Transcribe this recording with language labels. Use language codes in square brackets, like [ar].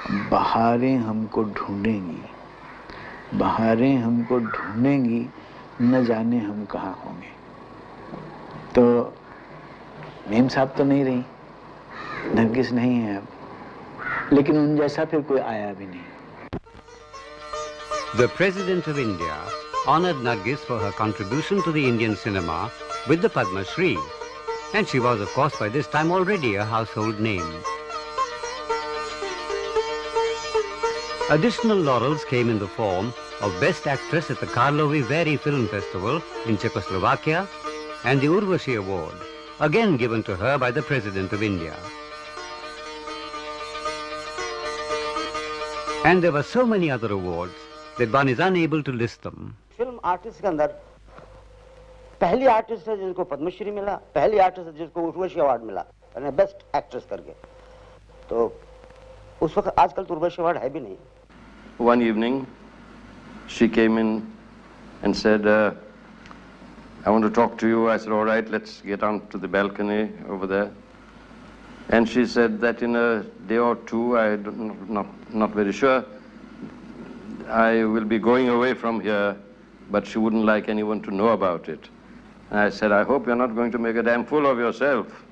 [hi] बहारें हमको ढूंढेंगी, बहारें हमको ढूंढेंगी, न जाने हम कहां होंगे। तो मेम साहब तो नहीं रही, नरगिस नहीं है अब, लेकिन उन जैसा फिर कोई आया भी नहीं। [en] The President of India honored Nargis for her contribution to the Indian cinema with the Padma Shri. And she was, of course, by this time already a household name. Additional laurels came in the form of Best Actress at the Karlovy Vary Film Festival in Czechoslovakia and the Urvashi Award, again given to her by the President of India. And there were so many other awards that one is unable to list them. [hi] Film artist के अंदर पहली artist है जिसको पद्मश्री मिला, पहली artist है जिसको Urvashi award मिला, यानी बेस्ट एक्ट्रेस करके। तो उस वक्त, आजकल तो उर्वशी अवार्ड है भी नहीं। [en] One evening she came in and said I want to talk to you. I said alright let's get on to the balcony over there. And she said that in a day or two, I don't, not very sure, I will be going away from here, but she wouldn't like anyone to know about it. And I said, I hope you're not going to make a damn fool of yourself.